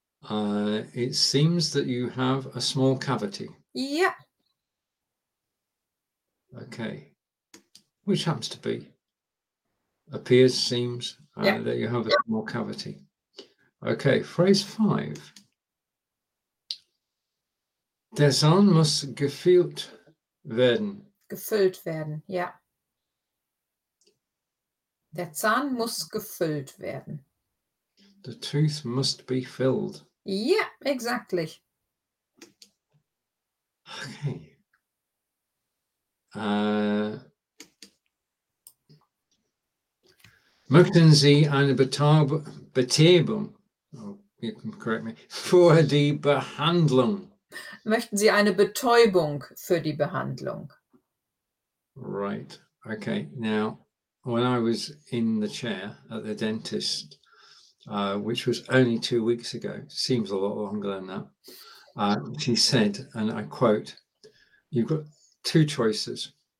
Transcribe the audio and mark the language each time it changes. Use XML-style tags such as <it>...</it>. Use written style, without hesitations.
<en>It seems that you have a small cavity. Yeah. Okay. Which happens to be? Appears, seems, that you have a small cavity. Okay, phrase five.</en> <de>Der Zahn muss gefüllt werden. Gefüllt werden, yeah. Der Zahn muss gefüllt werden.</de> <en>The tooth must be filled. Yeah, exactly. Okay.</en> <de>Möchten Sie eine Betäubung?</de> <en>Oh, you can correct me.</en> <de>Für die Behandlung. Möchten Sie eine Betäubung für die Behandlung?</de> <en>Right. Okay. Now, when I was in the chair at the dentist, which was only 2 weeks ago, seems a lot longer than that, she said, and I quote, you've got two choices.</en>